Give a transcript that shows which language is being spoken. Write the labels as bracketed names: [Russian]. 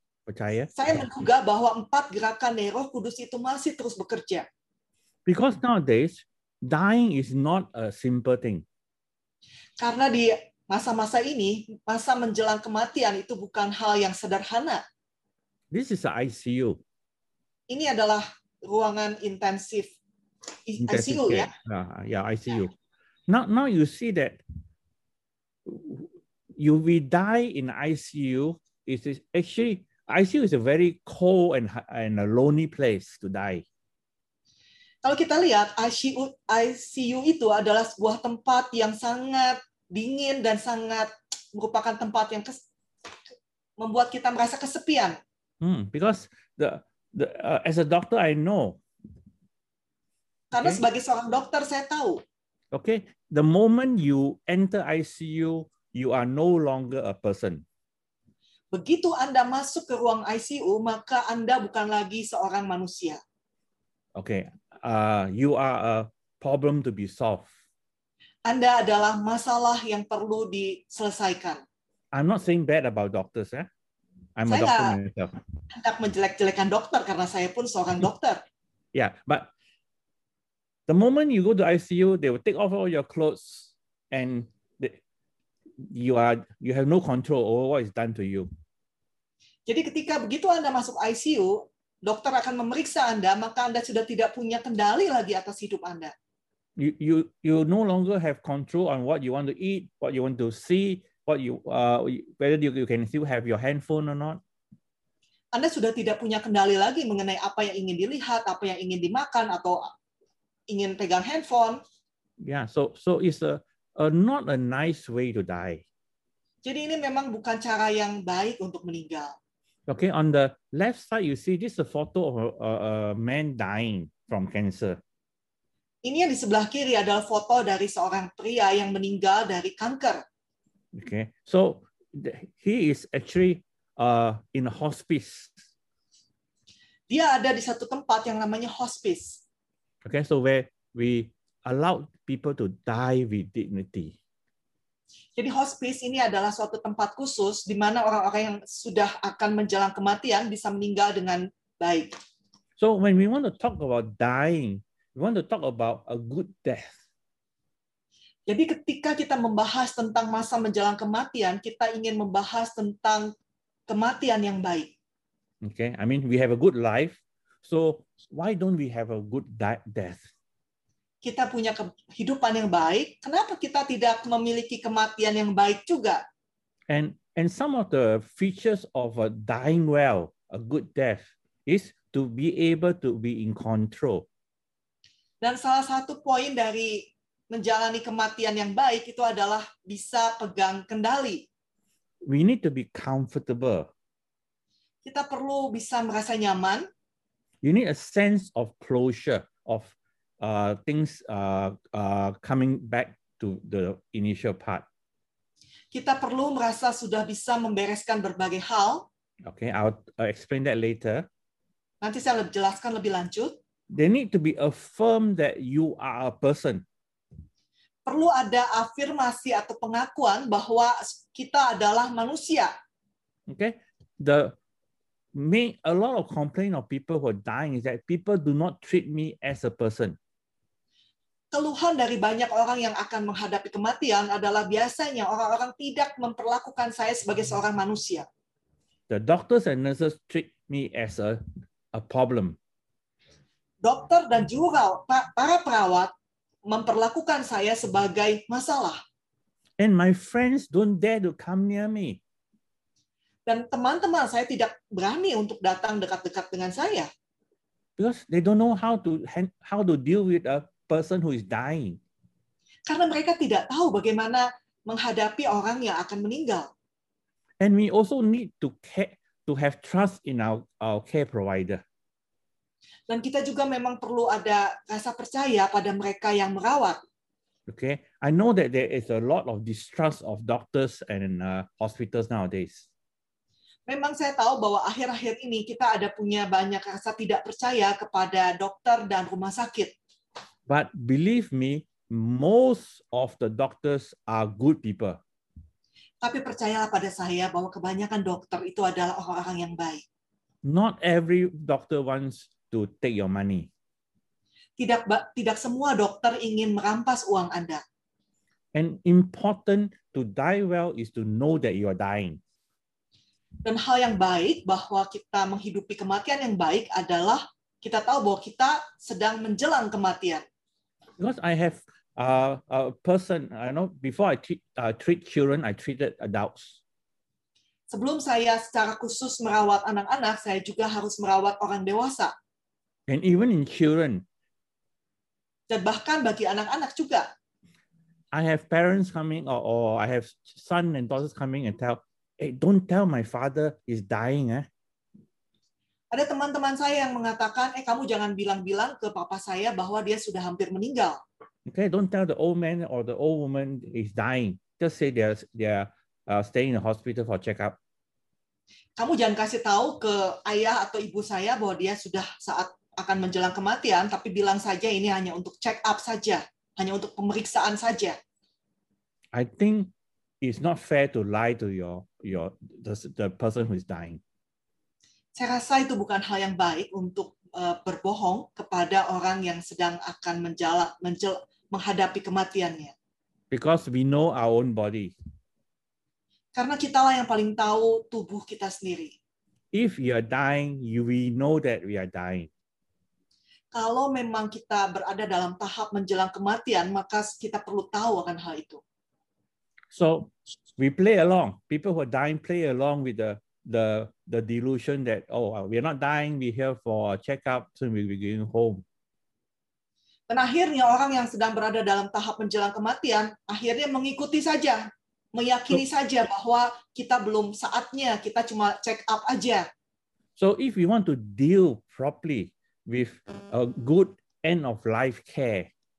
[Indonesian] Saya menduga bahwa empat gerakan dari Roh Kudus itu masih terus bekerja. [English] Because nowadays, dying is not a simple thing. [Indonesian] Karena di masa-masa ini, masa menjelang kematian itu bukan hal yang sederhana. [English] This is a ICU. [Indonesian] Ini adalah ruangan intensif. [English] Intensive ICU, care. [Indonesian] Ya? [English] Yeah, ICU. Yeah. Now you see that we die in ICU, it is actually ICU is a very cold and a lonely place to die. [Indonesian] Kalau kita lihat ICU itu adalah sebuah tempat yang sangat dingin dan sangat merupakan tempat yang membuat kita merasa kesepian. [English] Because the as a doctor I know. [Indonesian] Karena okay. Sebagai seorang dokter saya tahu. [English] Okay, the moment you enter ICU, you are no longer a person. [Indonesian] Begitu Anda masuk ke ruang ICU, maka Anda bukan lagi seorang manusia. [English] Okay, you are a problem to be solved. [Indonesian] Anda adalah masalah yang perlu diselesaikan. [English] I'm not saying bad about doctors, eh? I'm [Indonesian] saya [English] a doctor myself. [Indonesian] Tidak menjelek-jelekan dokter karena saya pun seorang dokter. [English] Yeah, but the moment you go to ICU, they will take off all your clothes and you have no control over what is done to you. [Indonesian] Jadi ketika begitu Anda masuk ICU, dokter akan memeriksa Anda, maka Anda sudah tidak punya kendali lagi atas hidup Anda. [English] You no longer have control on what you want to eat, what you want to see, what you whether you can still have your handphone or not. [Indonesian] Anda sudah tidak punya kendali lagi mengenai apa yang ingin dilihat, apa yang ingin dimakan atau ingin pegang handphone. [English] Yeah, so it's a not a nice way to die. [Indonesian] Jadi ini memang bukan cara yang baik untuk meninggal. [English] Okay, on the left side you see this is a photo of a man dying from cancer. [Indonesian] Ini yang di sebelah kiri adalah foto dari seorang pria yang meninggal dari kanker. [English] Okay, so he is actually in a hospice. [Indonesian] Dia ada di satu tempat yang namanya hospice. [English] Okay, so where we allow people to die with dignity. [Indonesian] Jadi hospice ini adalah suatu tempat khusus di mana orang-orang yang sudah akan menjelang kematian bisa meninggal dengan baik. [English] So when we want to talk about dying, we want to talk about a good death. [Indonesian] Jadi ketika kita membahas tentang masa menjelang kematian, kita ingin membahas tentang kematian yang baik. [English] Okay, I mean we have a good life. So why don't we have a good death? [Indonesian] Kita punya kehidupan yang baik, kenapa kita tidak memiliki kematian yang baik juga? [English] And some of the features of a dying well, a good death, is to be able to be in control. [Indonesian] Dan salah satu poin dari menjalani kematian yang baik itu adalah bisa pegang kendali. [English] We need to be comfortable. [Indonesian] Kita perlu bisa merasa nyaman. [English] You need a sense of closure of things coming back to the initial part. [Indonesian] Kita perlu merasa sudah bisa membereskan berbagai hal. [English] Okay, I'll explain that later. [Indonesian] Nanti saya jelaskan lebih lanjut. [English] They need to be affirmed that you are a person. [Indonesian] Perlu ada afirmasi atau pengakuan bahwa kita adalah manusia. [English] Okay, a lot of complaint of people who are dying is that people do not treat me as a person. [Indonesian] Keluhan dari banyak orang yang akan menghadapi kematian adalah biasanya orang-orang tidak memperlakukan saya sebagai seorang manusia. [English] The doctors and nurses treat me as a problem. [Indonesian] Dokter dan juga para perawat memperlakukan saya sebagai masalah. [English] And my friends don't dare to come near me. [Indonesian] Dan teman-teman saya tidak berani untuk datang dekat-dekat dengan saya. [English] Because they don't know how to deal with a person who is dying. [Indonesian] Karena mereka tidak tahu bagaimana menghadapi orang yang akan meninggal. [English] And we also need to care, to have trust in our care provider. [Indonesian] Dan kita juga memang perlu ada rasa percaya pada mereka yang merawat. [English] Okay, I know that there is a lot of distrust of doctors and hospitals nowadays. [Indonesian] Memang saya tahu bahwa akhir-akhir ini kita ada punya banyak rasa tidak percaya kepada dokter dan rumah sakit. [English] But believe me, most of the doctors are good people. [Indonesian] Tapi percayalah pada saya bahwa kebanyakan dokter itu adalah orang-orang yang baik. [English] Not every doctor wants to take your money. [Indonesian] Tidak semua dokter ingin merampas uang Anda. [English] And important to die well is to know that you are dying. [Indonesian] Dan hal yang baik bahwa kita menghidupi kematian yang baik adalah kita tahu bahwa kita sedang menjelang kematian. [English] Because I have a person, I know before I treat children, I treated adults. [Indonesian] Sebelum saya secara khusus merawat anak-anak, saya juga harus merawat orang dewasa. [English] And even in children. [Indonesian] Dan bahkan bagi anak-anak juga. [English] I have parents coming or I have son and daughters coming and tell, Hey, don't tell my father is dying, eh? [Indonesian] Ada teman-teman saya yang mengatakan, eh kamu jangan bilang-bilang ke papa saya bahwa dia sudah hampir meninggal. [English] Okay, don't tell the old man or the old woman is dying. Just say they are staying in the hospital for checkup. [Indonesian] Kamu jangan kasih tahu ke ayah atau ibu saya bahwa dia sudah saat akan menjelang kematian, tapi bilang saja ini hanya untuk check up saja, hanya untuk pemeriksaan saja. [English] I think it's not fair to lie to the person who is dying. [Indonesian] Saya rasa itu bukan hal yang baik untuk berbohong kepada orang yang sedang akan menghadapi kematiannya. [English] Because we know our own body. [Indonesian] Karena kitalah yang paling tahu tubuh kita sendiri. [English] If you are dying, we know that we are dying. [Indonesian] Kalau memang kita berada dalam tahap menjelang kematian, maka kita perlu tahu akan hal itu. [English] So we play along. People who are dying play along with the delusion that we are not dying. We here for a checkup. Soon we'll be going home. [Indonesian] Dan akhirnya orang yang sedang berada dalam tahap menjelang kematian akhirnya mengikuti saja. Meyakini saja bahwa kita belum saatnya, kita cuma check up aja. [English] So if we want to deal properly with a good end of life care.